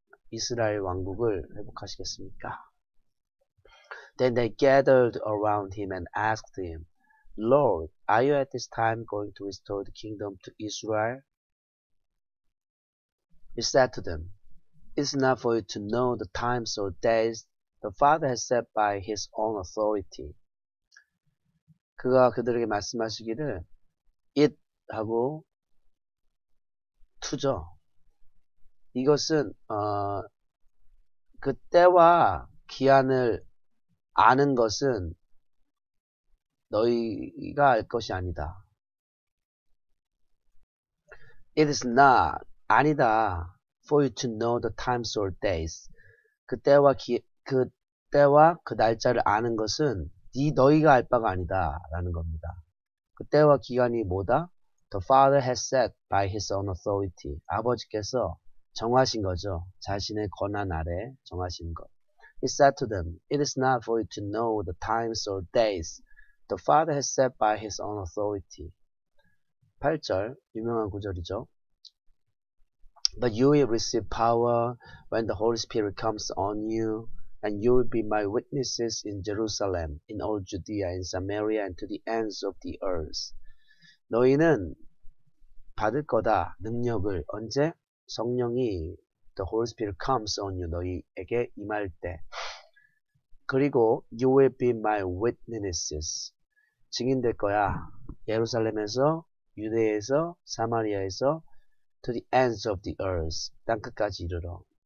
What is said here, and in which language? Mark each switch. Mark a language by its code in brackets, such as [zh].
[ko] 이스라엘 왕국을 회복하시겠습니까? [en] Then they gathered around him and asked him, Lord, are you at this time going to restore the kingdom to Israel? He said to them, It's not for you to know the times or days the Father has set by his own authority. [ko] 그가 그들에게 말씀하시기를, It 하고, to죠. 이것은, 그때와 기한을 아는 것은 너희가 알 것이 아니다. [en] It is not, [ko] 아니다, [en] for you to know the times or days. [ko] 그때와 그 날짜를 아는 것은 너희가 알 바가 아니다. 라는 겁니다. 그때와 기간이 뭐다? [en] The Father has set by His own authority. [ko] 아버지께서 정하신 거죠. 자신의 권한 아래 정하신 것. [en] He said to them, It is not for you to know the times or days. The Father has set by His own authority. [ko] 8절, 유명한 구절이죠. [en] But you will receive power when the Holy Spirit comes on you, and you will be my witnesses in Jerusalem, in all Judea, in Samaria, and to the ends of the earth. [ko] 너희는 받을 거다, 능력을. 언제? 성령이 [en] The Holy Spirit comes on you, [ko] 너희에게 임할 때. [en] 그리고 You will be my witnesses. [ko] 증인 될 거야. 예루살렘에서, 유대에서, 사마리아에서 [en] To the ends of the earth. [ko] 땅끝까지 이르러.